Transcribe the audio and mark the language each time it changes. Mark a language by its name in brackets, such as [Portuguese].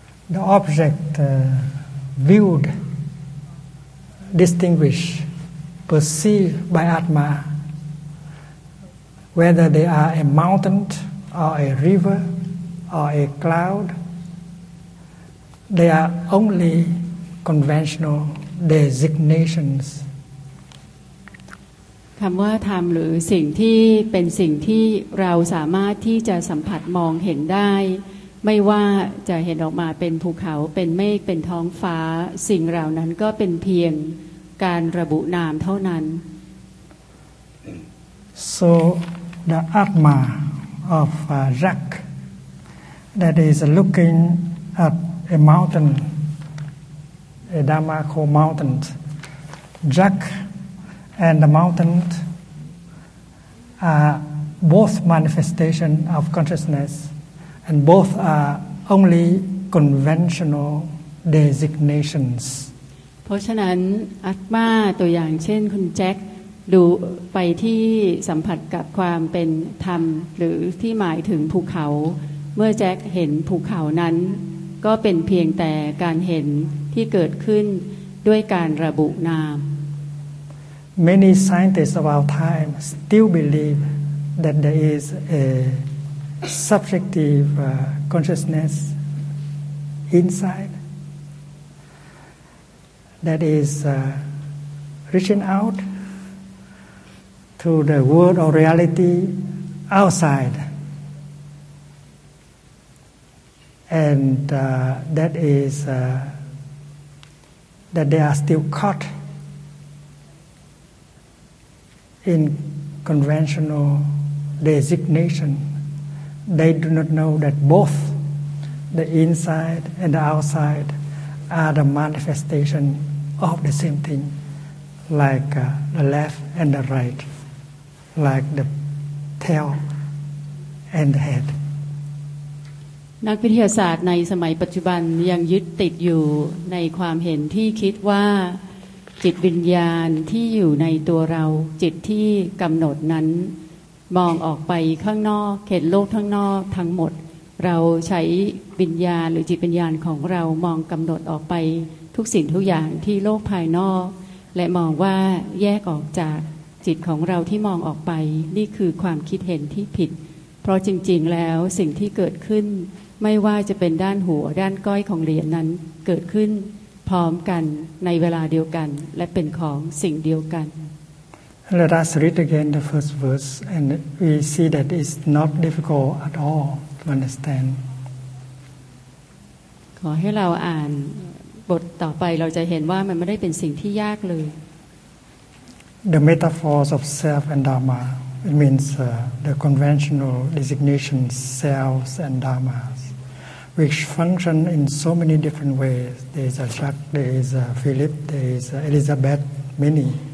[English] The object viewed, distinguished, perceived by Atma, whether they are a mountain or a river or a cloud, they are only conventional designations. [Thai] คำว่าธรรมหรือสิ่งที่เป็นสิ่งที่เราสามารถที่จะสัมผัสมองเห็นได้ไม่ว่าจะเห็นออกมาเป็นภูเขาเป็นเมฆเป็นท้องฟ้าสิ่งเหล่านั้นก็เป็นเพียงการระบุนามเท่านั้น [English] So the Atma of Rak that is looking at a mountain a Dharma called mountain RakAnd the mountain are both manifestation of consciousness, and both are only conventional designations. [Thai] เพราะฉะนั้นอาตมาตัวอย่างเช่นคุณแจ็คดูไปที่สัมผัสกับความเป็นธรรมหรือที่หมายถึงภูเขาเมื่อแจ็คเห็นภูเขานั้นก็เป็นเพียงแต่การเห็นที่เกิดขึ้นด้วยการระบุนาม [English] Many scientists of our time still believe that there is a subjective consciousness inside that is reaching out to the world of reality outside. And that is that they are still caughtIn conventional designation, they do not know that both the inside and the outside are the manifestation of the same thing, like the left and the right, like the tail and the head. [Thai] นักวิทยาศาสตร์ในสมัยปัจจุบันยังยึดติดอยู่ในความเห็นที่คิดว่า จิตวิญญาณที่อยู่ในตัวเราจิตที่กำหนดนั้นมองออกไปข้างนอกเขตโลกข้างนอกทั้งหมดเราใช้วิญญาณหรือจิตวิญญาณของเรามองกำหนดออกไป ทุกสิ่งทุกอย่างที่โลกภายนอกและมองว่าแยกออกจากจิตของเราที่มองออกไปนี่คือความคิดเห็นที่ผิดเพราะจริงๆแล้วสิ่งที่เกิดขึ้นไม่ว่าจะเป็นด้านหัวด้านก้อยของเหรียญนั้นเกิดขึ้นพร้อมกันในเวลาเดียวกันและเป็นของสิ่งเดียวกัน [English] Let us read again the first verse and we see that it's not difficult at all to understand [Thai] ขอให้เราอ่านบทต่อไปเราจะเห็นว่ามันไม่ได้เป็นสิ่งที่ยากเลย [English] The metaphors of self and dharmaIt means the conventional designation selves and dharmas, which function in so many different ways. There is a Jacques, there is a Philip, there is a Elizabeth, many.